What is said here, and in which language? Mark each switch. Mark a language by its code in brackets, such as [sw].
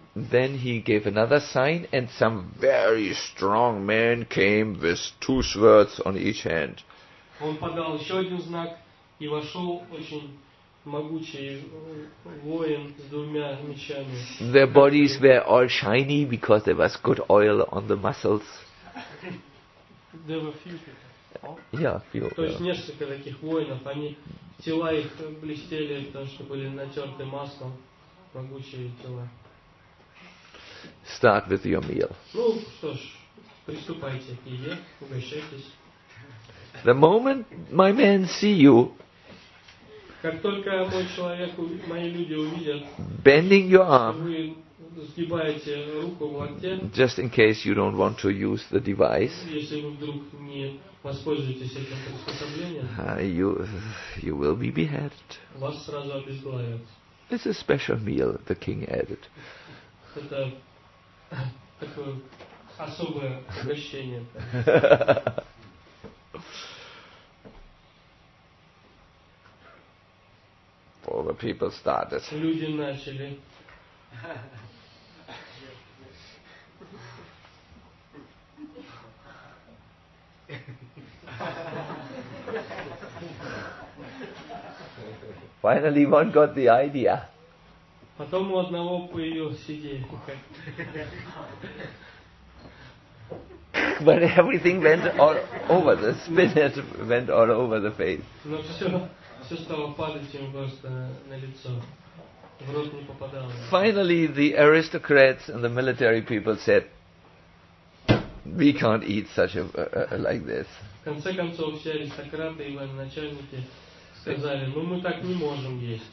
[en] Then he gave another sign, and some very strong men came with two swords on each hand. [ru] Он подал еще один знак, и вошел очень могучий воин с двумя мечами. [en] Their bodies were all shiny because there was good oil on the muscles. There were few. Yeah, [ru] то есть несколько таких воинов, они тела их блестели, потому что были натерты маслом, могучие тела. [en] Start with your meal. [ru] Ну что ж, приступайте к еде, угощайтесь. [en] The moment my men see you [ru] как только мой человек, мои люди увидят, [en] bending your arm, [ru] вы сгибаете руку в локте, [en] just in case you don't want to use the device, [ru] если вы вдруг не воспользуетесь этим приспособлением, [en] you will be beheaded. [ru] Вас сразу обезглавят. [en] It's a special meal, the king added. [ru] Это такое особое угощение. [en] All the people started. [ru] Люди начали. [en] Finally, one got the idea. [ru] Потом у одного появилась идея. [en] But everything went all over the spinet, went all over the face. [ru] Но все стало падать им просто на лицо. В рот не попадало. [en] Finally, the aristocrats and the military people said, we can't eat such a like this. [ru] В конце концов, все аристократы и военачальники сказали, ну мы так не можем есть.